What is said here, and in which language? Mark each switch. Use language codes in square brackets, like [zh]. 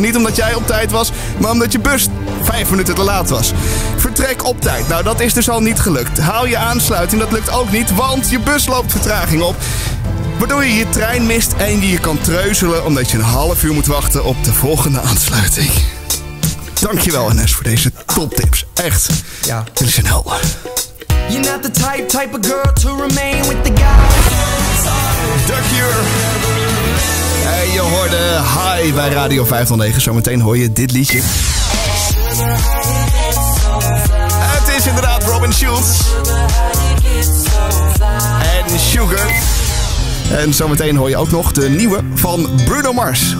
[nl] Niet omdat jij op tijd was, maar omdat je bus 5 minuten te laat was. Vertrek op tijd. Nou, dat is dus al niet gelukt. Haal je aansluiting, dat lukt ook niet, want je bus loopt vertraging op. Waardoor je je trein mist en je kan treuzelen omdat je een half uur moet wachten op de volgende aansluiting. Dankjewel NS voor deze toptips. Echt. Ja. Dit is een hel. [en] You're not the type of girl to remain with the guy. Duck here. [nl] En je hoorde Hi bij Radio 509. Zometeen hoor je dit liedje. Het is inderdaad Robin Schulz. En Sugar. En zometeen hoor je ook nog de nieuwe van Bruno Mars.